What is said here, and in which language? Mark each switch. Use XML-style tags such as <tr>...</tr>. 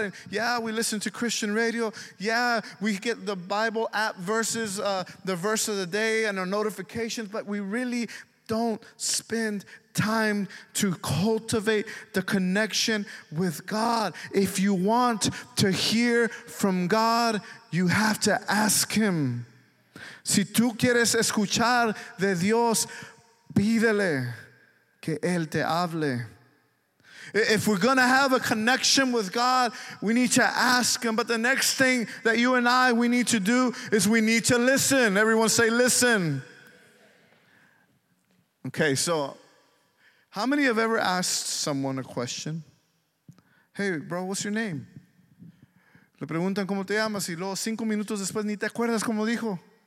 <en>And yeah, we listen to Christian radio. Yeah, we get the Bible app verses, the verse of the day and our notifications. But we really don't spend time to cultivate the connection with God. If you want to hear from God, you have to ask him.</en> <es>Si tú quieres escuchar de Dios, pídele que Él te hable.</es> <en>If we're going to have a connection with God, we need to ask him. But the next thing that you and I, we need to do is we need to listen. Everyone say listen. Okay, so how many have ever asked someone a question? Hey, bro, what's your name?</en> <es>Le preguntan cómo te llamas y luego 5 minutos después ni te acuerdas cómo dijo.</es>